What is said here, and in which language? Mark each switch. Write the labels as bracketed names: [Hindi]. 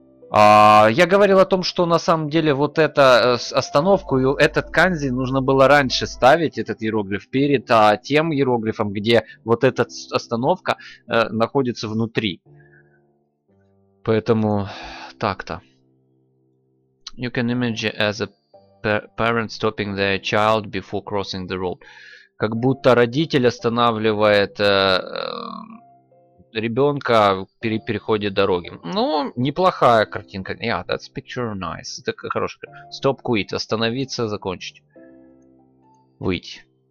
[Russian] Я говорил о том, что на самом деле вот эту остановку, этот канзи нужно было раньше ставить, этот иероглиф, перед тем иероглифом, где вот эта остановка находится внутри. Поэтому так-то. [English] You can imagine as a parent stopping their child before crossing the road. [Russian] Как будто родитель останавливает... ребенка при переходе дороги. Ну, неплохая картинка. [English] Yeah, that's picture nice. [Russian] Это хорошая картинка. [English] Stop, quit. [Russian] Остановиться, закончить. Выйти.